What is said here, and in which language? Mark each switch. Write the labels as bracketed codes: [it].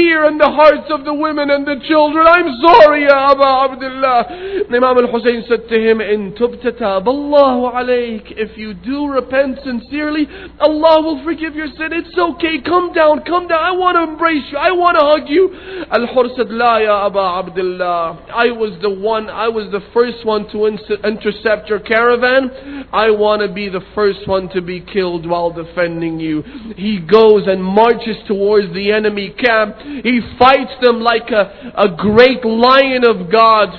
[en] fear in the hearts of the women and the children. I'm sorry, Ya Aba Abdullah. And Imam al-Husayn said to him, [ar] إِن تُبْتَ تَابَ اللَّهُ عَلَيْكَ. [en] If you do repent sincerely, Allah will forgive your sin. It's okay, come down. I want to embrace you, I want to hug you. Al-Hur said, [ar] لَا يَا أَبَا عَبْدِلَّهُ. [en] I was the first one to intercept your caravan. I want to be the first one to be killed while defending you. He goes and marches towards the enemy camp. He fights them like a great lion of God.